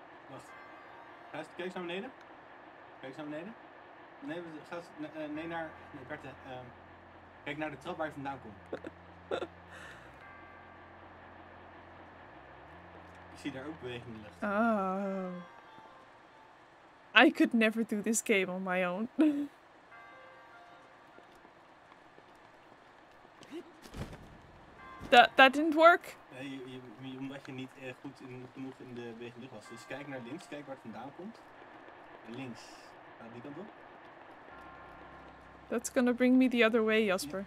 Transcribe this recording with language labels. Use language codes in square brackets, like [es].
[nl] Wacht, ga eens, kijk eens naar beneden. Kijk eens naar beneden. Nee, ga eens, nee naar, nee, Berthe, kijk naar de trap waar je vandaan komt. Ik zie daar ook beweging in de lucht. Oh. [en] I could never do this game on my own. That didn't work. [nl] Nee, omdat je niet goed genoeg in de beweging lucht was. Dus kijk naar links, kijk waar het vandaan komt. Links. Ga die kant op. [en] That's gonna bring me the other way, Jasper.